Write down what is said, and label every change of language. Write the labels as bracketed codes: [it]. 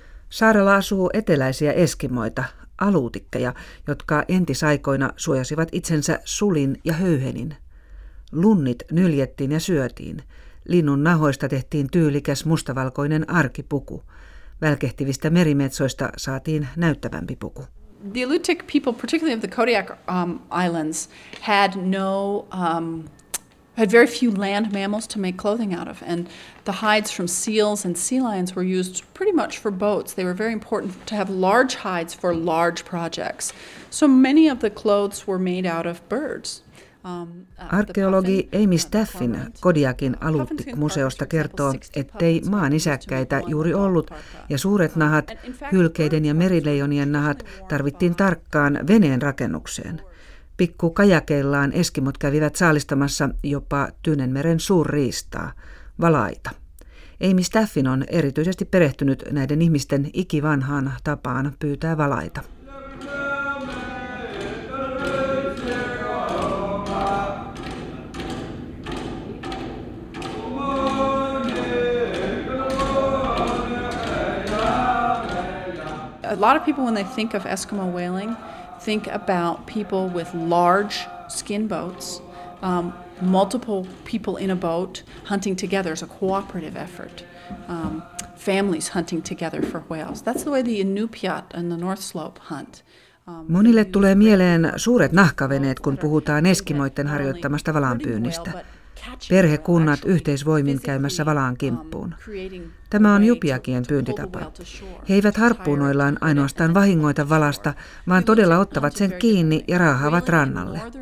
[fi] Saarella asuu eteläisiä eskimoita, aluutikkeja, jotka entisaikoina suojasivat itsensä sulin ja höyhenin. Lunnit nyljettiin ja syötiin. Linnun nahoista tehtiin tyylikäs mustavalkoinen arkipuku. Välkehtivistä merimetsoista saatiin näyttävämpi puku. [en] The Aleutic people, particularly of the Kodiak Islands, had no had very few land mammals to make clothing out of, and the hides from seals and sea lions were used pretty much for boats. They were very important to have large hides for large projects. So many of the clothes were made out of birds. [fi] Arkeologi Amy Staffin Kodiakin aluuttikkomuseosta kertoo, ettei maanisäkkäitä juuri ollut, ja suuret nahat, hylkeiden ja merileijonien nahat, tarvittiin tarkkaan veneen rakennukseen. Pikku kajakeillaan eskimot kävivät saalistamassa jopa Tyynenmeren suurriistaa, valaita. Amy Staffin on erityisesti perehtynyt näiden ihmisten ikivanhaan tapaan pyytää valaita. [en] A lot of people, when they think of Eskimo whaling, think about people with large skin boats, multiple people in a boat hunting together as a cooperative effort, families hunting together for whales. That's the way the Inupiat and the North Slope hunt. [fi] Monille tulee mieleen suuret nahkaveneet, kun puhutaan eskimoiden harjoittamasta valaanpyynnistä. Perhekunnat yhteisvoimin käymässä valaan kimppuun. Tämä on Jupiakien pyyntitapa. He eivät harppuunoillaan ainoastaan vahingoita valasta, vaan todella ottavat sen kiinni ja raahaavat rannalle.